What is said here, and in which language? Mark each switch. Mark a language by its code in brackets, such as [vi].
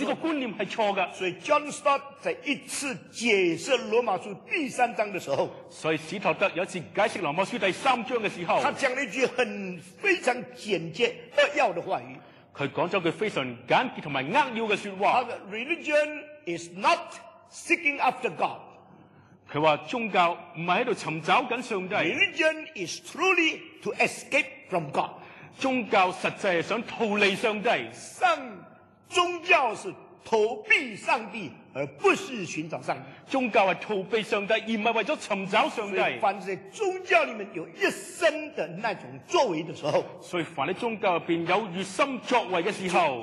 [zh] 这个观念是错的。所以 John Stott 在一次解释罗马书第三章的时候，所以史陶德有一次解释罗马书第三章的时候，他讲了一句很非常简洁扼要的话语，他讲了一句非常简洁和扼要的说话。 [en] Religion is not seeking after God， [zh] 他说宗教不是在寻找上帝。 [en] Religion is truly to escape from God， [zh] 宗教实际是想逃离上帝，上宗教是逃避上帝而不是寻找上帝，宗教是逃避上帝而不是为了寻找上帝。所以凡在宗教里面有一生的那种作为的时候，所以凡在宗教里面有一生作为的时候，